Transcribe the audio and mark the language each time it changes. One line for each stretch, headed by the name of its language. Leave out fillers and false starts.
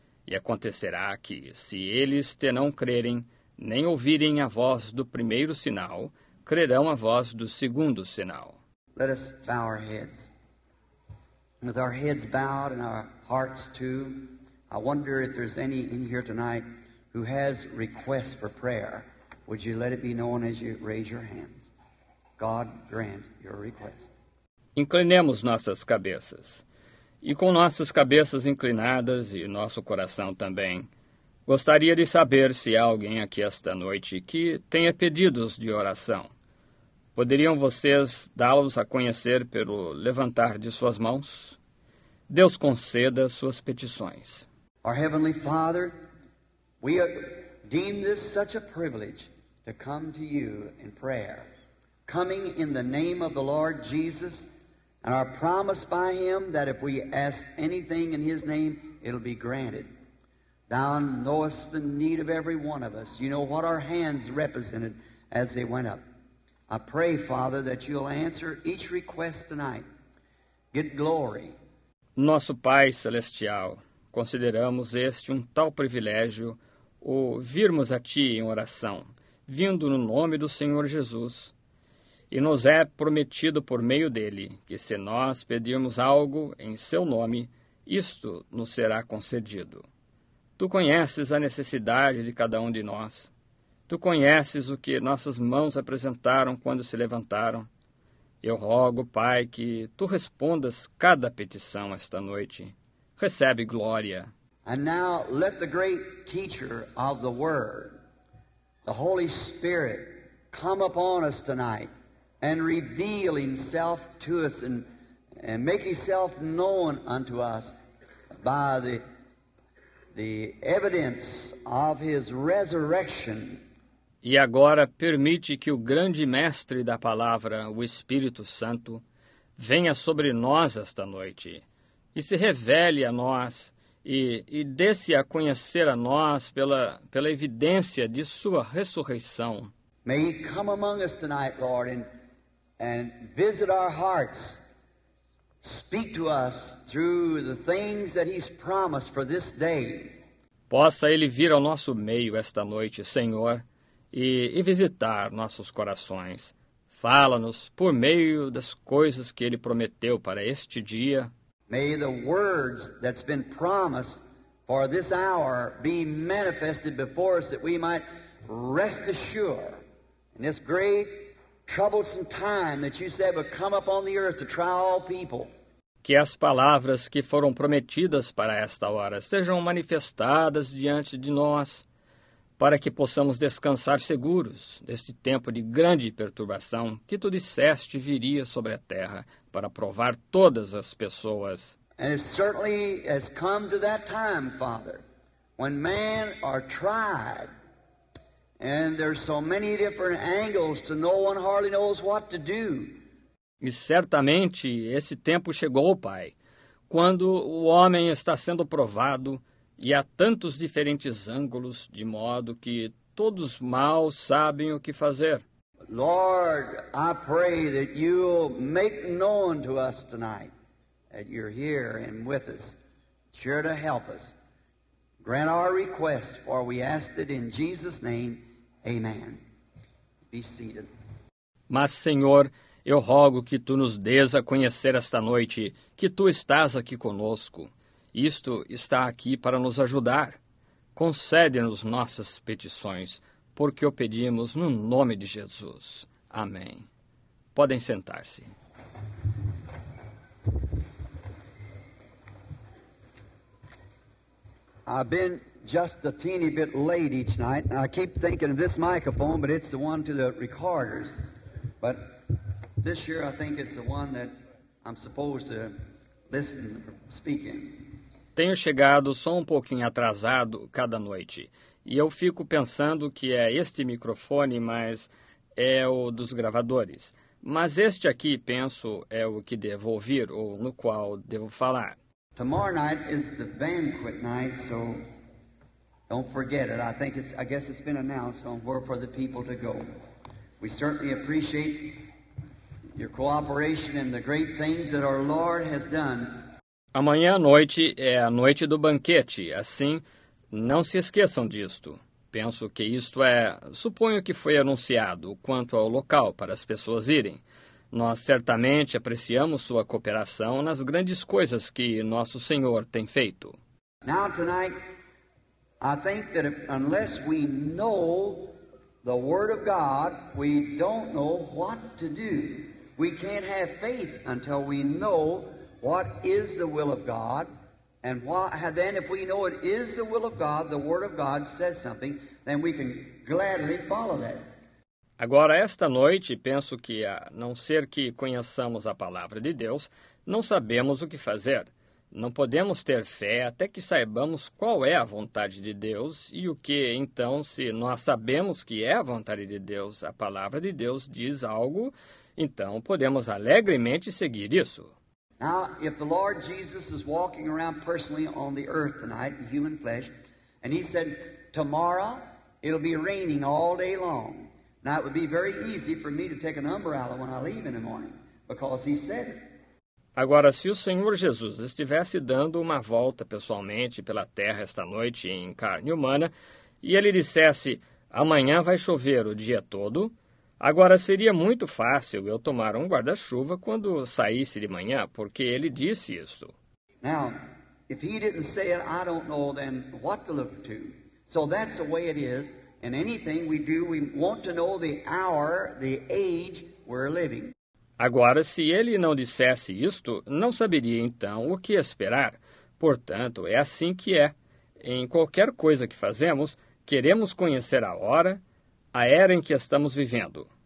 Portuguese: E acontecerá que, se eles te não crerem, nem ouvirem a voz do primeiro sinal, crerão a voz do segundo sinal.
English: Let us bow our heads. With our heads bowed and our hearts too, I wonder if there's any in here tonight who has requests for prayer. Would you let it be known as you raise your hands? God grant your request.
Portuguese: Inclinemos nossas cabeças. E com nossas cabeças inclinadas e nosso coração também, gostaria de saber se há alguém aqui esta noite que tenha pedidos de oração. Poderiam vocês dá-los a conhecer pelo levantar de suas mãos? Deus conceda suas petições.
English: Our Heavenly Father, we deem this such a privilege to come to you in prayer, coming in the name of the Lord Jesus, and are promised by Him that if we ask anything in His name, it'll be granted. Thou knowest the need of every one of us. You know what our hands represented as they went up. I pray, Father, that you'll answer each request tonight. Get glory.
Portuguese: Nosso Pai Celestial, consideramos este um tal privilégio, o virmos a Ti em oração, vindo no nome do Senhor Jesus. E nos é prometido por meio dele que, se nós pedirmos algo em seu nome, isto nos será concedido. Tu conheces a necessidade de cada um de nós. Tu conheces o que nossas mãos apresentaram quando se levantaram. Eu rogo, Pai, que Tu respondas cada petição esta noite. Recebe glória.
English: And now let the great teacher of the Word, the Holy Spirit, come upon us tonight and reveal Himself to us and make Himself known unto us by the evidence of His resurrection.
Portuguese: E agora permite que o grande Mestre da Palavra, o Espírito Santo, venha sobre nós esta noite e se revele a nós e dê-se a conhecer a nós pela evidência de Sua ressurreição.
English: May He come among us tonight, Lord, and visit our hearts, speak to us through the things that He's promised for this day.
Portuguese: Possa Ele vir ao nosso meio esta noite, Senhor, e visitar nossos corações. Fala-nos por meio das coisas que Ele prometeu para este dia.
English: May the words that's been promised for this hour be manifested before us, that we might rest assured in this great troublesome time that you said would come upon the earth to try all people.
Portuguese: Que as palavras que foram prometidas para esta hora sejam manifestadas diante de nós, para que possamos descansar seguros neste tempo de grande perturbação que Tu disseste viria sobre a terra para provar todas as pessoas.
English: And it certainly has come to that time, Father, when men are tried, and there's so many different angles to no one hardly knows what to do.
Portuguese: E certamente esse tempo chegou, Pai, quando o homem está sendo provado e há tantos diferentes ângulos, de modo que todos mal sabem o que fazer.
English: Lord, I pray that you'll make known to us tonight that you're here and with us, sure to help us. Grant our request, for we ask it in Jesus' name. Amen. Be seated.
Portuguese: Mas, Senhor, eu rogo que Tu nos dês a conhecer esta noite que Tu estás aqui conosco. Isto está aqui para nos ajudar. Concede-nos nossas petições, porque o pedimos no nome de Jesus. Amém. Podem sentar-se.
English: I've been just a teeny bit late each night. I keep thinking of this microphone, but it's the one to the recorders. But this year I think it's the one that I'm supposed to listen and speak in.
Portuguese: Tenho chegado só um pouquinho atrasado cada noite, e eu fico pensando que é este microfone, mas é o dos gravadores. Mas este aqui, penso, é o que devo ouvir, ou no qual devo falar.
English: Tomorrow night is the banquet night, so don't forget it. I guess it's been announced on where for the people to go. We certainly appreciate your cooperation and the great things that our Lord has done.
Portuguese: Amanhã à noite é a noite do banquete, assim, não se esqueçam disto. Penso que isto é, suponho que foi anunciado quanto ao local para as pessoas irem. Nós certamente apreciamos sua cooperação nas grandes coisas que nosso Senhor tem feito.
English: Now tonight, I think that if, unless we know the Word of God, we don't know what to do. We can't have faith until we know what is the will of God, and then if we know it is the will of God, the Word of God says something, then we can gladly follow that.
Portuguese: Agora, esta noite, penso que, a não ser que conheçamos a palavra de Deus, não sabemos o que fazer. Não podemos ter fé até que saibamos qual é a vontade de Deus e o que, então, se nós sabemos que é a vontade de Deus, a palavra de Deus diz algo, então podemos alegremente seguir isso.
English: Now, if the Lord Jesus is walking around personally on the earth tonight in human flesh, and He said, tomorrow it'll be raining all day long. Now, it would be very easy for me to take an umbrella when I leave in the morning, because He said it.
Portuguese: Agora, se o Senhor Jesus estivesse dando uma volta pessoalmente pela terra esta noite em carne humana e ele dissesse, amanhã vai chover o dia todo, agora seria muito fácil eu tomar um guarda-chuva quando saísse de manhã, porque ele disse isso.
English: Now, if he didn't say it, I don't know then what to look to. So that's the way it is. And anything we do, we want to know the hour, the age we're living.
Portuguese: Agora, se ele não dissesse isto, não saberia, então, o que esperar. Portanto, é assim que é. Em qualquer coisa que fazemos, queremos conhecer a hora, a era em que estamos vivendo.